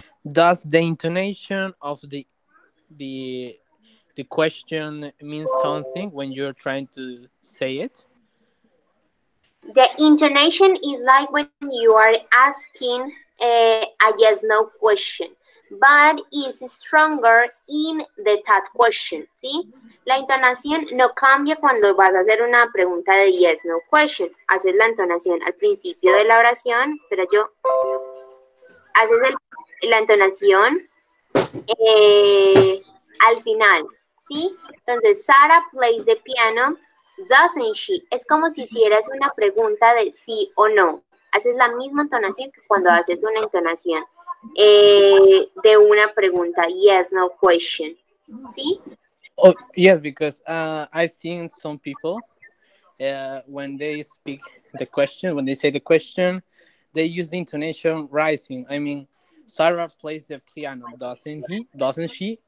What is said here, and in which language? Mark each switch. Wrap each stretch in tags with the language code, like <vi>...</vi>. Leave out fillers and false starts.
<en>Does the intonation of the question mean something when you're trying to say it? The intonation is like when you are asking a yes-no question. But is stronger in the that question, ¿sí?</en> <es>La entonación no cambia cuando vas a hacer una pregunta de yes, no question. Haces la entonación al principio de la oración, espera yo. Haces la entonación al final, ¿sí?</es> <en>Entonces, Sarah plays the piano, doesn't she?</en> <es>Es como si hicieras una pregunta de sí o no. Haces la misma entonación que cuando haces una entonación. De una pregunta, yes, no question, ¿sí?</es> <en>Oh, yes, because I've seen some people, when they speak the question, when they say the question, they use the intonation rising. I mean, Sarah plays the piano, doesn't she?</en>